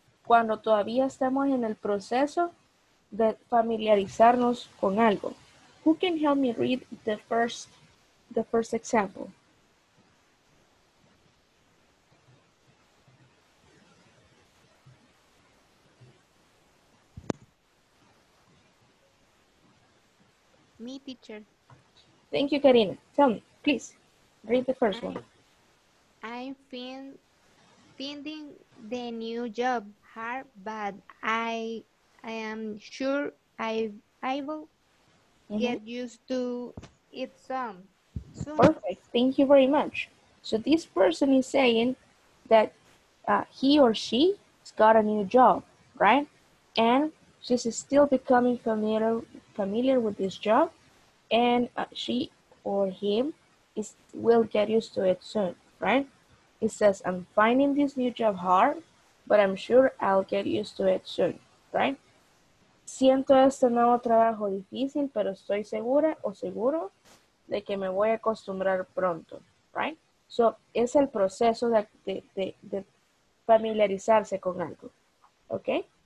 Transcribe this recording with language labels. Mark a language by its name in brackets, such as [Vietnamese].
[Spanish] Cuando todavía estamos en el proceso de familiarizarnos con algo. [English] Who can help me read the first example? teacher. Thank you, Karina. Tell me, please, read the first one. I'm finding the new job hard, but I am sure I will get used to it some. Soon. Perfect. Thank you very much. So this person is saying that he or she has got a new job, right? And she's still becoming familiar with this job, and she or him will get used to it soon, right? It says, I'm finding this new job hard, but I'm sure I'll get used to it soon, right? [Spanish] Siento este nuevo trabajo difícil, pero estoy segura o seguro de que me voy a acostumbrar pronto, right? So, es el proceso de familiarizarse con algo, okay?